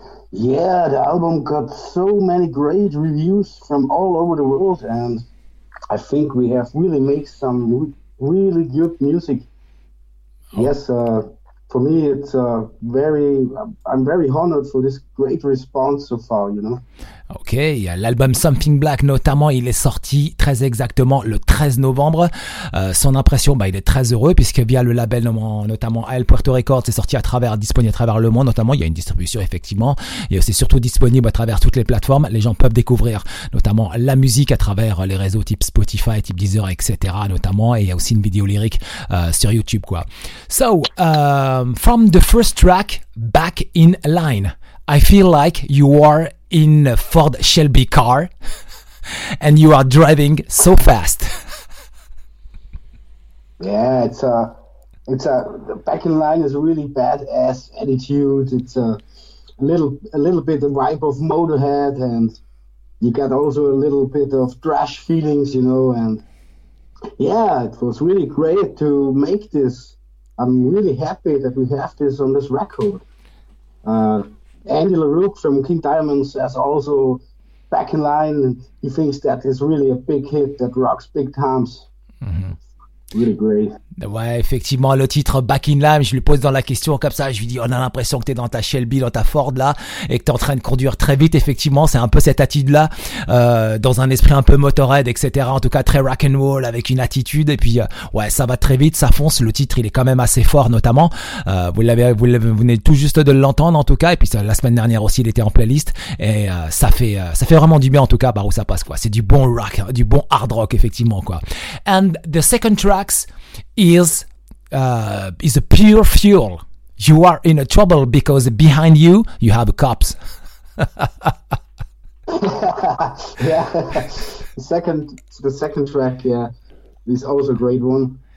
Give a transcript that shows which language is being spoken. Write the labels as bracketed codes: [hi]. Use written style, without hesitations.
[en] Yeah, the album got so many great reviews from all over the world, and I think we have really made some really good music. Yes, for me, it's I'm very honored for this great response so far, you know. [fr] Ok, l'album Something Black notamment, il est sorti très exactement le 13 novembre. Son impression, il est très heureux puisque via le label notamment El Puerto Records, c'est sorti disponible à travers le monde. Notamment, il y a une distribution effectivement et c'est surtout disponible à travers toutes les plateformes. Les gens peuvent découvrir notamment la musique à travers les réseaux type Spotify, type Deezer, etc. notamment. Et il y a aussi une vidéo lyrique sur YouTube quoi. [en] So, from the first track, Back in Line, I feel like you are in a Ford Shelby car and you are driving so fast. Yeah, it's a Back in Line is a really badass attitude. It's a little bit the vibe of Motorhead, and you got also a little bit of thrash feelings, you know. And yeah, it was really great to make this. I'm really happy that we have this on this record. Andy LaRue from King Diamonds is also back in line. He thinks that is really a big hit that rocks big times. Mm-hmm. Really great. [fr] Ouais, effectivement, le titre Back in Line, je lui pose dans la question comme ça, je lui dis on a l'impression que t'es dans ta Shelby, dans ta Ford là, et que t'es en train de conduire très vite. Effectivement, c'est un peu cette attitude là, dans un esprit un peu motorhead, etc. En tout cas très rock and roll avec une attitude. Et puis ouais, ça va très vite, ça fonce. Le titre il est quand même assez fort, notamment vous venez tout juste de l'entendre en tout cas. Et puis la semaine dernière aussi il était en playlist, et ça fait vraiment du bien en tout cas par où ça passe quoi. C'est du bon rock, du bon hard rock effectivement quoi. [en] And the second tracks is a pure fuel. You are in a trouble because behind you you have cops. Yeah, the second track, yeah, is also a great one.